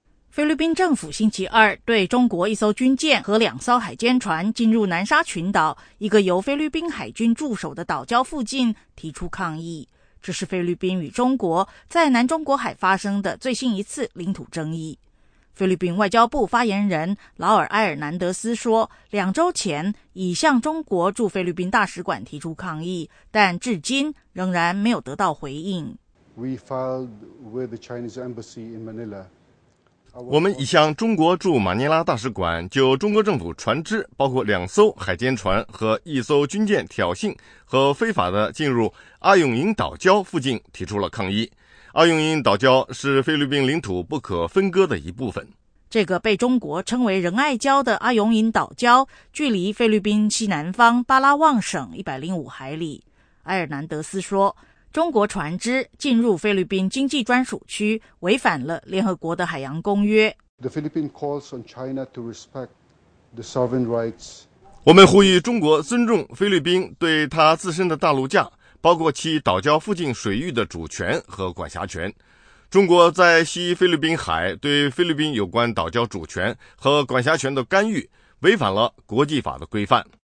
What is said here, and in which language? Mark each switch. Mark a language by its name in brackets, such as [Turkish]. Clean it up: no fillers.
[Chinese] 菲律宾政府星期二对中国一艘军舰和两艘海监船进入南沙群岛一个由菲律宾海军驻守的岛礁附近提出抗议，这是菲律宾与中国在南中国海发生的最新一次领土争议。菲律宾外交部发言人劳尔埃尔南德斯说，两周前已向中国驻菲律宾大使馆提出抗议，但至今仍然没有得到回应。 [English] We filed with the Chinese embassy in Manila. [Chinese] 我们已向中国驻马尼拉大使馆就中国政府船只包括两艘海监船和一艘军舰挑衅和非法的进入阿永营岛礁附近提出了抗议。阿永营岛礁是菲律宾领土不可分割的一部分。这个被中国称为仁爱礁的阿永营岛礁距离菲律宾西南方巴拉望省105海里。埃尔南德斯说，中国船只进入菲律宾经济专属区违反了联合国的海洋公约。 [English] The Philippines calls on China to respect the sovereign rights. [Chinese] 我们呼吁中国尊重菲律宾对他自身的大陆架，包括其岛礁附近水域的主权和管辖权。中国在西菲律宾海对菲律宾有关岛礁主权和管辖权的干预违反了国际法的规范。